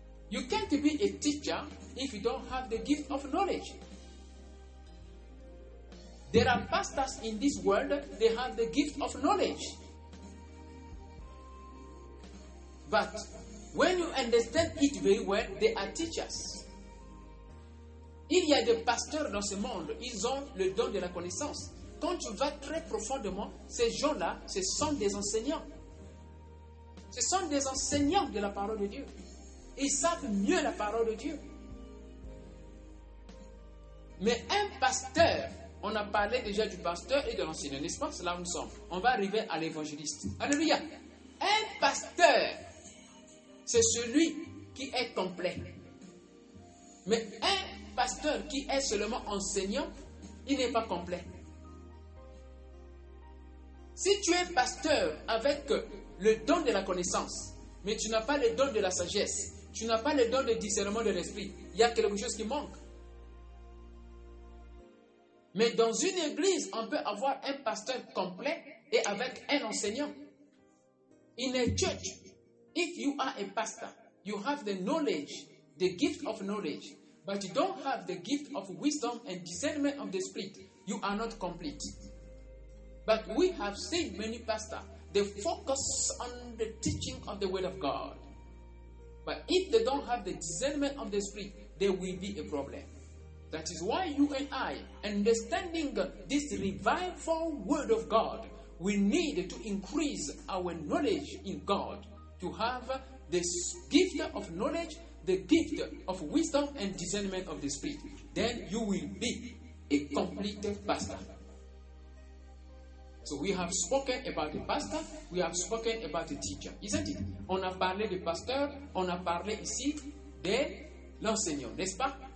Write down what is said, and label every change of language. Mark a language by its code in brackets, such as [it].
[en] You can't be a teacher if you don't have the gift of knowledge. There are pastors in this world, they have the gift of knowledge. But when you understand it very well, they are teachers. [fr] Il y a des pasteurs dans ce monde, ils ont le don de la connaissance. Quand tu vas très profondément, ces gens-là, ce sont des enseignants. Ce sont des enseignants de la parole de Dieu. Ils savent mieux la parole de Dieu. Mais un pasteur, on a parlé déjà du pasteur et de l'enseignant, n'est-ce pas? C'est là où nous sommes. On va arriver à l'évangéliste. Alléluia. Un pasteur, c'est celui qui est complet. Mais un pasteur qui est seulement enseignant, il n'est pas complet. Si tu es pasteur avec le don de la connaissance, mais tu n'as pas le don de la sagesse, tu n'as pas le don de discernement de l'esprit, il y a quelque chose qui manque. Mais dans une église, on peut avoir un pasteur complet et avec un enseignant. [en] In a church, if you are a pastor, you have the knowledge, the gift of knowledge, but you don't have the gift of wisdom and discernment of the spirit, you are not complete. But we have seen many pastors, they focus on the teaching of the word of God. But if they don't have the discernment of the spirit, there will be a problem. That is why you and I, understanding this revival word of God, we need to increase our knowledge in God to have this gift of knowledge, the gift of wisdom and discernment of the spirit. Then you will be a complete pastor. So we have spoken about the pastor, we have spoken about the teacher, isn't it? [fr] On a parlé de pasteur, on a parlé ici de l'enseignant, n'est-ce pas?